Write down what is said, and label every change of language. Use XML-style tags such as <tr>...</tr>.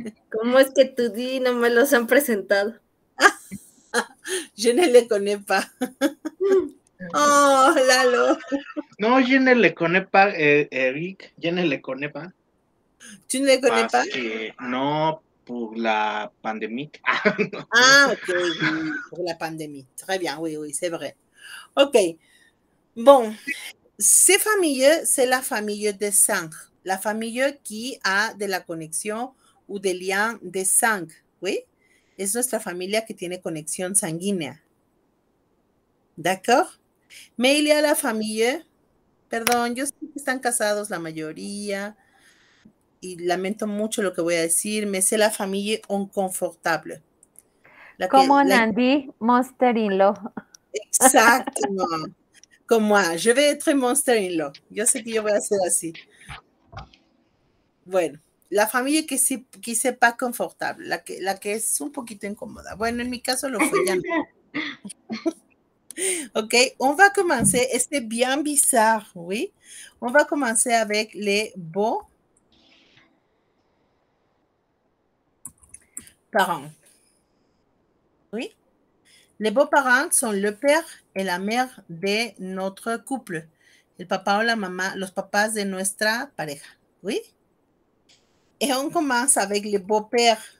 <es>¿Cómo es que tú di no me los han presentado?</es> <fr>Je ne le connais pas. Oh, Lalo. No, je ne le connais pas, Eric. Je ne le connais pas. ¿Tú no le connais pas? Parce que</fr> <es>no, por la pandemia. Ah, no.</es> <fr>Ah, ok, oui, pour la pandémie. Très bien, oui, c'est vrai. Ok. Bon, ces familles, c'est la famille de sang. La famille qui a de la connexion ou des liens de sang. Oui?</fr> <es>Es nuestra familia que tiene conexión sanguínea. ¿D'accord?</es> <fr>Mais il y a la famille.</fr> <es>Perdón, yo sé que están casados la mayoría. Y lamento mucho lo que voy a decir. Me sé la familia inconfortable. La que. Como Nandi, Monster in Law. Exacto. Como a.</es> <fr>Je vais être monster in law.</fr> <es>Yo sé que yo voy a ser así. Bueno. La familia que sí que sepa confortable, la que es un poquito incómoda. Bueno, en mi caso lo fue, ya no.</es> <fr>Ok, on va commencer. Este bien bizarre, oui. On va commencer avec les beaux parents. Oui. Les beaux parents sont le père et la mère de notre couple.</fr> <es>El papá o la mamá, los papás de nuestra pareja.</es> <fr>Oui. Et on commence avec le beau-père.</fr>